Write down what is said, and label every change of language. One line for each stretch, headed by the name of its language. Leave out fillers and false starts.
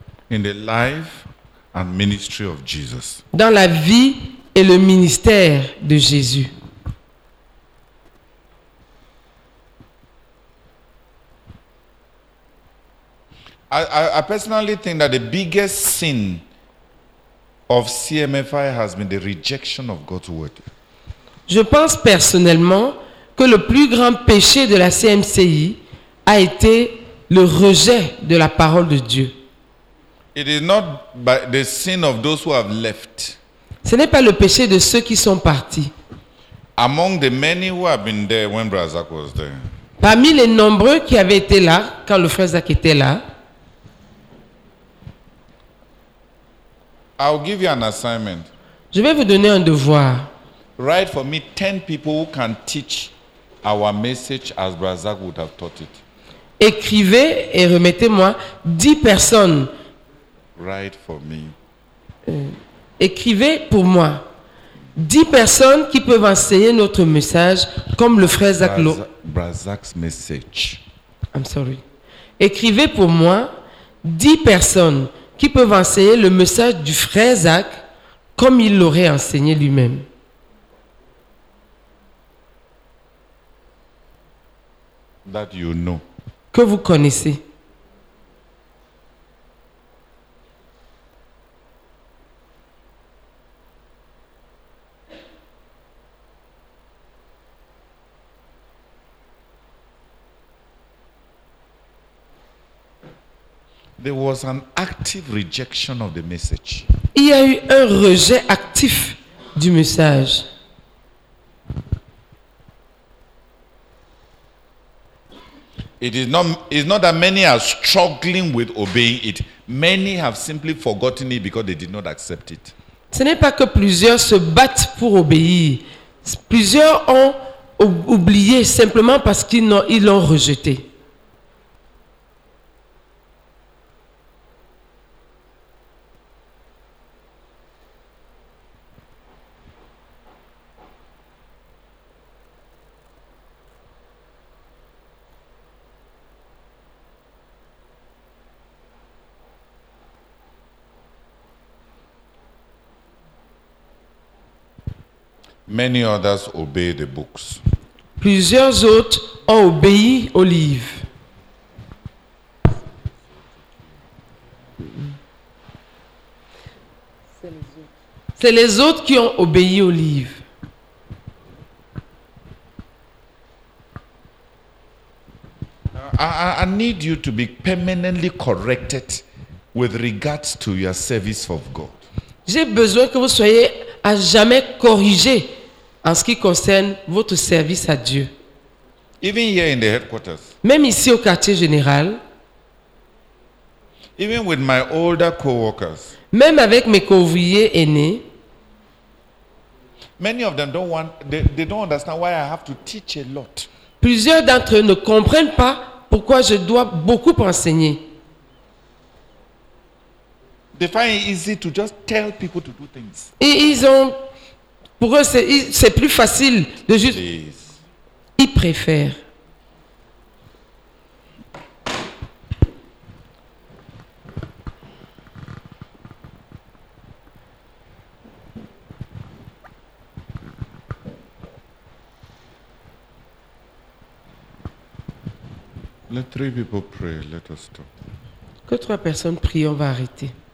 English: In the life and ministry of Jesus.
French: Dans la vie et le ministère de Jésus.
English: I personally think that the biggest sin of CMFI has been the rejection of God's word.
French: Je pense personnellement que le plus grand péché de la CMCI a été le rejet de la parole de Dieu.
English: It is not by the sin of those who have left.
French: Ce n'est pas le péché de ceux qui sont partis.
English: Among the many who have been there when Brother Zach was there.
French: Parmi les nombreux qui avaient été là quand le frère Zach était là.
English: I'll give you an assignment.
French: Je vais vous donner un devoir.
English: Write for me 10 people who can teach our message as Brother Zach would have taught it.
French: Écrivez et remettez-moi 10 personnes.
English: Write for me.
French: Écrivez pour moi 10 personnes qui peuvent enseigner notre message comme le frère Zach Lowe.
English: Brazak's message. I'm sorry.
French: Écrivez pour moi 10 personnes qui peuvent enseigner le message du frère Zach comme il l'aurait enseigné lui-même.
English: That you know.
French: Que vous connaissez.
English: There was an active rejection of the message.
French: Il y a eu un rejet actif du message.
English: In It's not that many are struggling with obeying it. Many have simply forgotten it because they did not accept it.
French: Ce n'est pas que plusieurs se battent pour obéir. Plusieurs ont oublié simplement parce qu'ils l'ont rejeté.
English: Many others obey the books.
French: Plusieurs autres ont obéi aux livres. C'est les autres qui ont obéi aux livres.
English: I need you to be permanently corrected with regards to your service of God.
French: J'ai besoin que vous soyez à jamais corrigé en ce qui concerne votre service à Dieu.
English: Even here in the headquarters,
French: même ici au quartier général,
English: even with my older co-workers,
French: même avec mes co-ouvriers aînés,
English: many of them don't want, they don't understand why I have to teach a lot.
French: Plusieurs d'entre eux ne comprennent pas pourquoi je dois beaucoup enseigner.
English: They find it easy to just tell people to do things.
French: Et ils ont pour eux, c'est plus facile de juste.
English: Please.
French: Ils préfèrent.
English: Let three people pray. Let us stop.
French: Que trois personnes prient, on va arrêter.